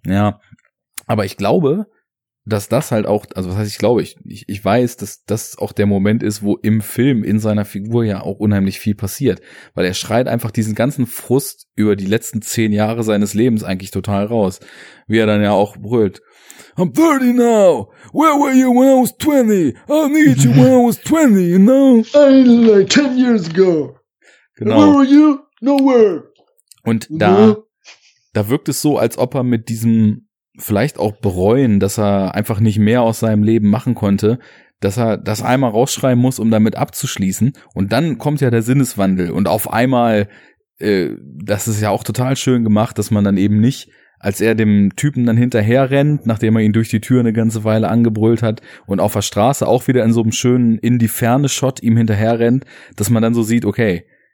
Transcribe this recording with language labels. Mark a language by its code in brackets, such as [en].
[de] Ja, aber ich glaube, dass das halt auch, also was heißt ich glaube, ich weiß, dass das auch der Moment ist, wo im Film in seiner Figur ja auch unheimlich viel passiert, weil er schreit einfach diesen ganzen Frust über die letzten 10 Jahre seines Lebens eigentlich total raus, wie er dann ja auch brüllt. [en] I'm 30 now. Where were you when I was 20? I need you when I was 20, you know? I like 10 years ago. [de] Genau. [en] Where were you? Nowhere. [de] Und da wirkt es so, als ob er mit diesem vielleicht auch bereuen, dass er einfach nicht mehr aus seinem Leben machen konnte, dass er das einmal rausschreien muss, um damit abzuschließen. Und dann kommt ja der Sinneswandel. Und auf einmal, das ist ja auch total schön gemacht, dass man dann eben nicht, als er dem Typen dann hinterher rennt, nachdem er ihn durch die Tür eine ganze Weile angebrüllt hat und auf der Straße auch wieder in so einem schönen in die Ferne Shot ihm hinterher rennt, dass man dann so sieht, okay,